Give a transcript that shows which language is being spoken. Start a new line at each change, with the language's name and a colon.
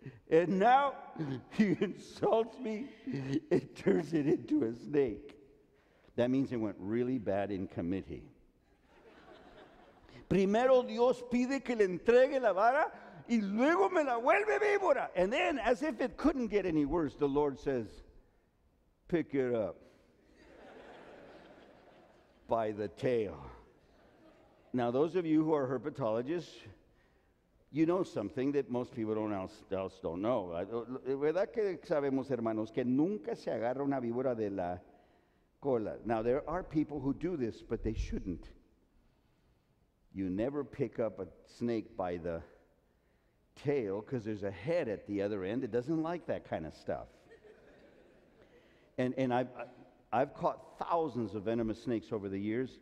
English: And now, he insults me and turns it into a snake. That means it went really bad in committee.
Spanish: Primero Dios pide que le entregue la vara y luego me la vuelve víbora.
English: And then, as if it couldn't get any worse, the Lord says, pick it up by the tail. Now, those of you who are herpetologists, you know something that most people else don't know.
Spanish: ¿Verdad que sabemos, hermanos, que nunca se agarra una víbora de la cola?
English: Now, there are people who do this, but they shouldn't. You never pick up a snake by the tail because there's a head at the other end. It doesn't like that kind of stuff. And I've caught thousands of venomous snakes over the years.